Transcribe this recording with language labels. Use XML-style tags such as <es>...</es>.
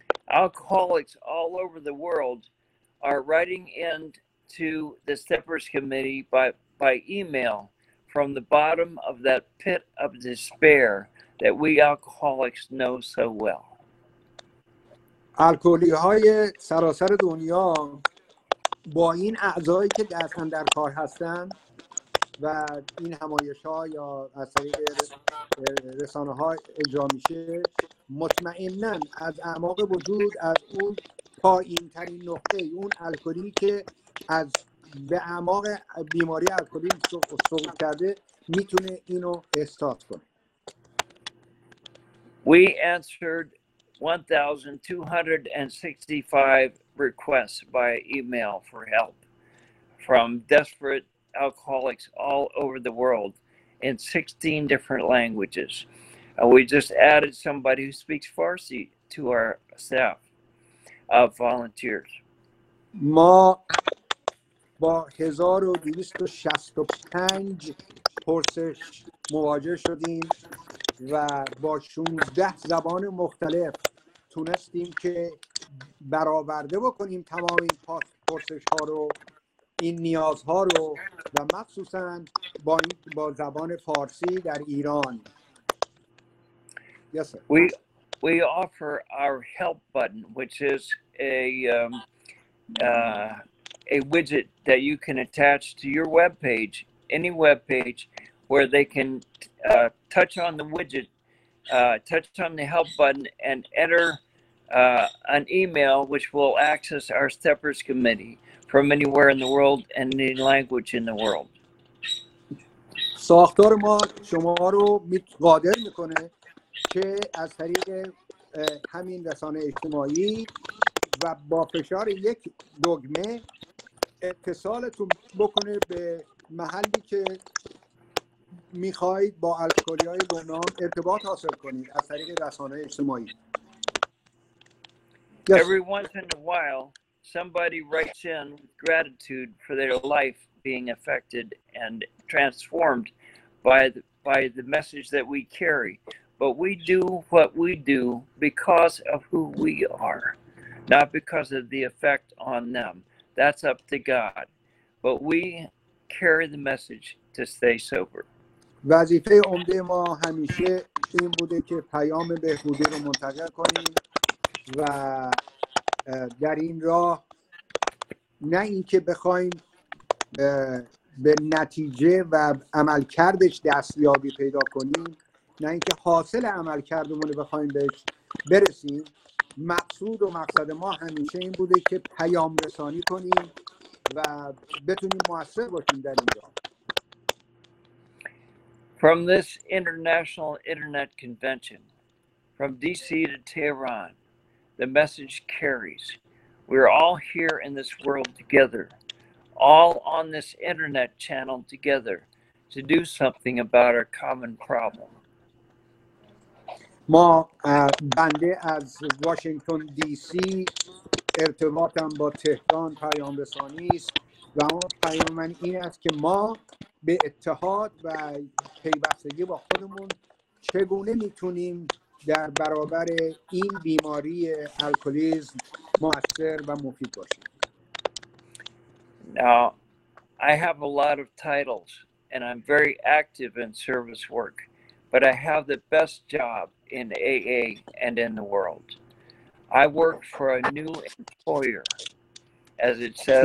<en>Alcoholics all over the world are writing in to the Steppers Committee by email from the bottom of that pit of despair that we alcoholics know so well.</en> <fa>الکلی های سراسر دنیا با این اعضایی که دست اندر کار هستن و این همایش ها یا از طریق رسانه ها اجرا میشه، مطمئنن از اعماق وجود از اون پایین ترین نقطه اون الکلی که از به اعماق بیماری الکلی سقوط کرده میتونه اینو احساس کنه.</fa> <en>We answered 1,265 requests by email for help from desperate alcoholics all over the world in 16 different languages. And we just added somebody who speaks Farsi to our staff of volunteers.</en> <fa>ما با 1,265 پرسش مواجه شدیم و با 16 زبان مختلف تونستیم که برآورده بکنیم تمام این پرسش ها رو، این نیازها رو، و مخصوصا با زبان فارسی در ایران.</fa> <en>Yes, sir. We offer our help button, which is a widget that you can attach to your web page, any web page, where they can touch on the widget, touch on the help button, and enter an email which will access our Steppers Committee from anywhere in the world and any language in the world.</en> <fa>ساختار ما شما رو قادر میکنه که از طریق همین رسانه اجتماعی و با فشار یک دگمه اتصالتون بکنه به محلی که میخواهید با الکلی های گمنام ارتباط حاصل کنید از طریق رسانه اجتماعی.</fa> <en>Yes. Every once in a while, somebody writes in gratitude for their life being affected and transformed by the message that we carry. But we do what we do because of who we are, not because of the effect on them. That's up to God. But we carry the message to stay sober.</en> <fa>وظیفه عمده ما همیشه این بوده که پیام بهبودی رو منتقل کنیم و در این راه نه اینکه بخوایم به نتیجه و عملکردش دستیابی پیدا کنیم، نه اینکه حاصل عملکردمون رو بخوایم بهش برسیم. مقصود و مقصد ما همیشه این بوده که پیام رسانی کنیم و بتونیم موثر باشیم در این راه.</fa> <en>From this international internet convention from DC to Tehran, the message carries. We're all here in this world together, all on this internet channel together, to do something about our common problem.</en> <fa>ما بنده از واشنگتن دی سی، ارتباطم با تهران پیام رسانی است، و اون پیام من این است که ما به اتحاد و پیوستگی با خودمون چگونه میتونیم در برابر این بیماری الکلیسم مؤثر و مفید باشیم.</fa> <en>Now, I have a lot of titles and I'm very active in service work, but I have the best job in AA and in the world. I work for a new employer, as it says.</en>